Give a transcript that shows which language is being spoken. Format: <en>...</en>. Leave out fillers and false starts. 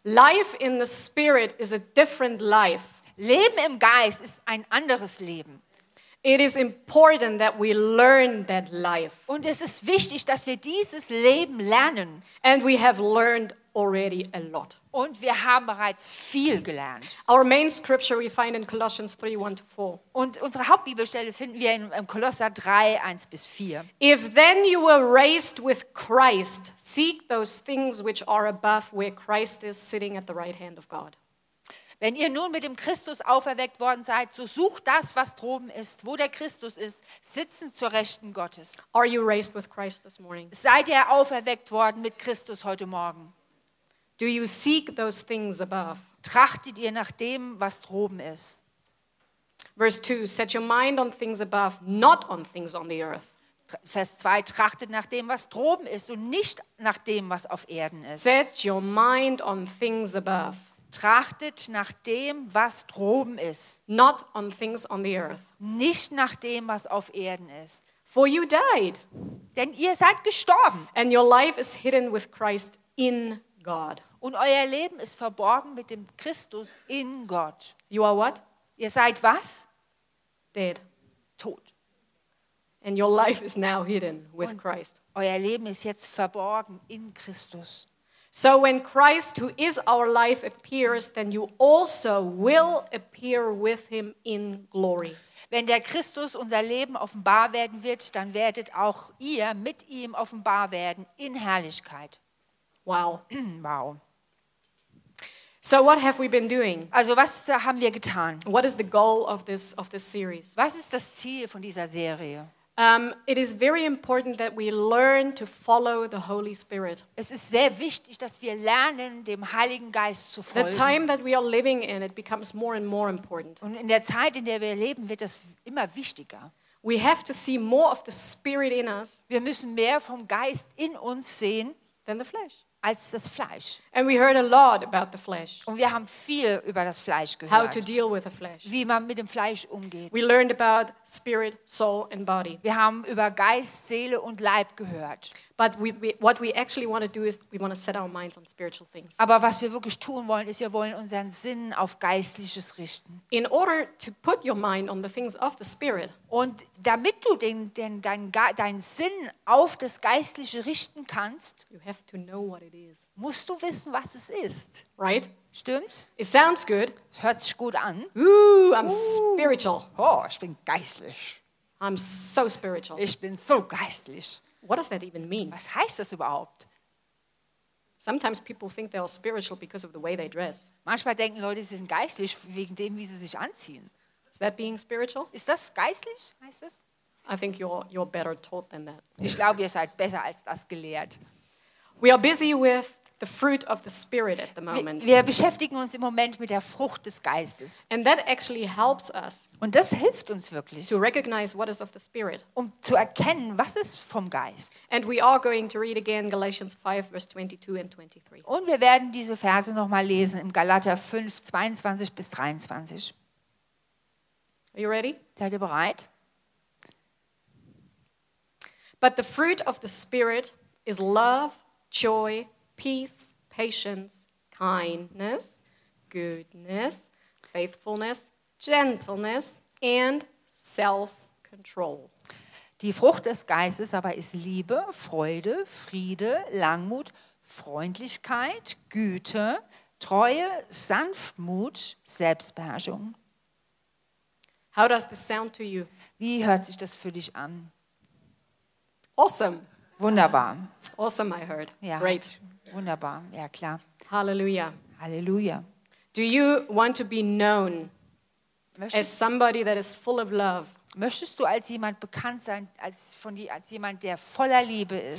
<en>Life in the Spirit is a different life.</en> <de>Leben im Geist ist ein anderes Leben.</de> <en>It is important that we learn that life.</en> <de>Und es ist wichtig, dass wir dieses Leben lernen.</de> <en>And we have learned already a lot.</en> <de>Und wir haben bereits viel gelernt.</de> <en>Our main scripture we find in Colossians 3:1-4.</en> <de>Und unsere Hauptbibelstelle finden wir in Kolosser 3:1-4.</de> <en>If then you were raised with Christ, seek those things which are above, where Christ is sitting at the right hand of God.</en> <de>Wenn ihr nun mit dem Christus auferweckt worden seid, so sucht das, was droben ist, wo der Christus ist, sitzend zur Rechten Gottes.</de> <en>Are you raised with Christ this morning?</en> <de>Seid ihr auferweckt worden mit Christus heute Morgen?</de> <en>Do you seek those things above?</en> <de>Trachtet ihr nach dem, was droben ist?</de> <en>Verse 2, set your mind on things above, not on things on the earth.</en> <de>Vers 2, trachtet nach dem, was droben ist und nicht nach dem, was auf Erden ist.</de> <en>Set your mind on things above.</en> <de>Trachtet nach dem, was droben ist.</de> <en>Not on things on the earth.</en> <de>Nicht nach dem, was auf Erden ist.</de> <en>For you died.</en> <de>Denn ihr seid gestorben.</de> <en>And your life is hidden with Christ in God.</en> <de>Und euer Leben ist verborgen mit dem Christus in Gott.</de> <en>You are what?</en> <de>Ihr seid was?</de> <en>Dead.</en> <de>Tot.</de> <en>And your life is now hidden with Christ.</en> <de>Euer Leben ist jetzt verborgen in Christus.</de> <en>So when Christ, who is our life, appears, then you also will appear with him in glory.</en> <de>Wenn der Christus unser Leben offenbar werden wird, dann werdet auch ihr mit ihm offenbar werden in Herrlichkeit.</de> <en>Wow. So what have we been doing?</en> <de>Also was haben wir getan?</de> <en>What is the goal of this series?</en> <de>Was ist das Ziel von dieser Serie?</de> <en>It is very important that we learn to follow the Holy Spirit.</en> <de>Es ist sehr wichtig, dass wir lernen, dem Heiligen Geist zu folgen.</de> <en>The time that we are living in, it becomes more and more important.</en> <de>Und in der Zeit, in der wir leben, wird das immer wichtiger.</de> <en>We have to see more of the Spirit in us.</en> <de>Wir müssen mehr vom Geist in uns sehen</de> <en>than the flesh.</en> <de>Als das Fleisch.</de> <en>And we heard a lot about the flesh.</en> <de>Und wir haben viel über das Fleisch gehört.</de> <en>How to deal with the flesh.</en> <de>Wie man mit dem Fleisch umgeht.</de> <en>We learned about spirit, soul and body.</en> <de>Wir haben über Geist, Seele und Leib gehört.</de> <en>But what we actually want to do is we want to set our minds on spiritual things.</en> <de>Aber was wir wirklich tun wollen, ist, wir wollen unseren Sinn auf Geistliches richten.</de> <en>In order to put your mind on the things of the Spirit.</en> <de>Und damit du deinen Sinn auf das Geistliche richten kannst,</de> <en>you have to know what it is.</en> <de>Musst du wissen, was es ist.</de> <en>Right?</en> <de>Stimmt's?</de> <en>It sounds good.</en> <de>Es hört sich gut an.</de> <en>Ooh, I'm spiritual.</en> <de>Oh, ich bin geistlich.</de> <en>I'm so spiritual.</en> <de>Ich bin so geistlich.</de> <en>What does that even mean?</en> <de>Was heißt das überhaupt?</de> <en>Sometimes people think they are spiritual because of the way they dress.</en> <de>Manchmal denken Leute, sie sind geistlich wegen dem, wie sie sich anziehen.</de> <en>Is that being spiritual?</en> <de>Ist das geistlich? Heißt es?</de> <en>I think you're better taught than that.</en> <de>Ich glaube, ihr seid besser als das gelehrt.</de> <en>We are busy with the fruit of the Spirit at the moment.</en> <de>Wir beschäftigen uns im Moment mit der Frucht des Geistes.</de> <en>And that actually helps us.</en> <de>Und das hilft uns wirklich.</de> <en>To recognize what is of the Spirit.</en> <de>Um zu erkennen, was ist vom Geist.</de> <en>And we are going to read again Galatians 5:22-23.</en> <de>Und wir werden diese Verse noch mal lesen im Galater 5:22-23.</de> <en>Are you ready?</en> <de>Seid ihr bereit?</de> <en>But the fruit of the Spirit is love, joy, peace, patience, kindness, goodness, faithfulness, gentleness and self-control.</en> <de>Die Frucht des Geistes aber ist Liebe, Freude, Friede, Langmut, Freundlichkeit, Güte, Treue, Sanftmut, Selbstbeherrschung.</de> <en>How does this sound to you?</en> <de>Wie hört sich das für dich an?</de> <en>Awesome.</en> <de>Wunderbar.</de> <en>Awesome, I heard. Ja. Great.</en> <de>Wunderbar, ja klar.</de> <en>Halleluja.</en> <de>Halleluja.</de> <en>Do you want to be known as somebody that is full of love?</en> <de>Möchtest du als jemand bekannt sein, als jemand, der voller Liebe ist?</de>